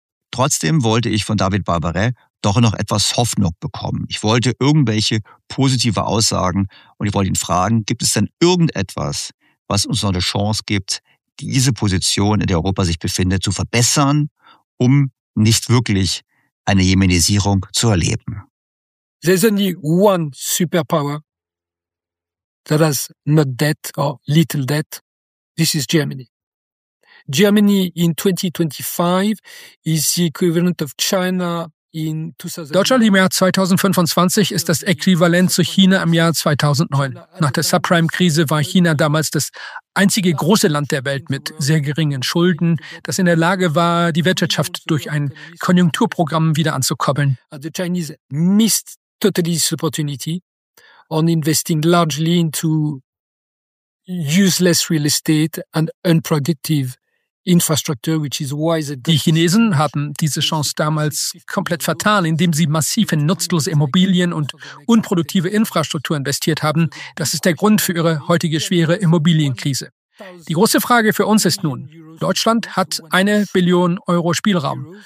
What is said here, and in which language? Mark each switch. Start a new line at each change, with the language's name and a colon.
German: Trotzdem wollte ich von David Barbaret doch noch etwas Hoffnung bekommen. Ich wollte irgendwelche positive Aussagen und ich wollte ihn fragen, gibt es denn irgendetwas, was uns noch eine Chance gibt, diese Position, in der Europa sich befindet, zu verbessern, um nicht wirklich eine Jemenisierung zu erleben.
English: There's only one superpower that has not debt or little debt. This is Germany. Germany in 2025 is the equivalent of China.
German: Deutschland im Jahr 2025 ist das Äquivalent zu China im Jahr 2009. Nach der Subprime-Krise war China damals das einzige große Land der Welt mit sehr geringen Schulden, das in der Lage war, die Wirtschaft durch ein Konjunkturprogramm wieder anzukoppeln.
English: The Chinese missed totally this opportunity on investing largely into useless real estate and unproductive infrastructure, which is why
German: die Chinesen hatten diese Chance damals komplett vertan, indem sie massiv in nutzlose Immobilien und unproduktive Infrastruktur investiert haben. Das ist der Grund für ihre heutige schwere Immobilienkrise. Die große Frage für uns ist nun, Deutschland hat 1 Billion Euro Spielraum.